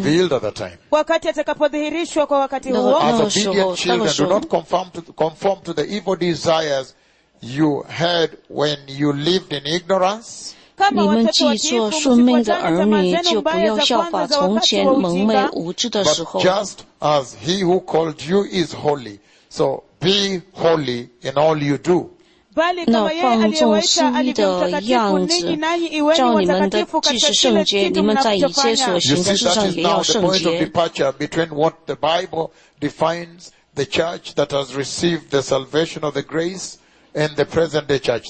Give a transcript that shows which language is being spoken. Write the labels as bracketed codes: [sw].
[en] When he will be revealed at that time. [zh] 那个时候, [en] as obedient children, do not conform to the evil desires you had when you lived in ignorance. [zh] 你们既做顺命的儿女，就不要效法从前蒙昧无知的时候。 [en] But just as he who called you is holy, so be holy in all you do. [zh] 那放纵心意的样子，照你们的既是圣洁，你们在一切所行的事上也要圣洁。 [en] You see, that is now the point of departure between what the Bible defines the church that has received the salvation of the grace and the present day church.